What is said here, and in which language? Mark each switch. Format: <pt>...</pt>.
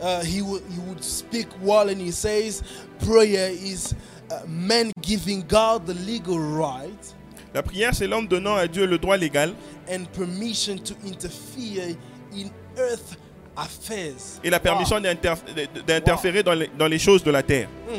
<en>He would speak well and he says, prayer is man giving God the legal right.</en> <fr>La prière, c'est l'homme donnant à Dieu le droit légal</fr> <en>and permission to interfere in earth affairs.</en> <fr>Et la permission d'interférer dans les choses de la terre.</fr>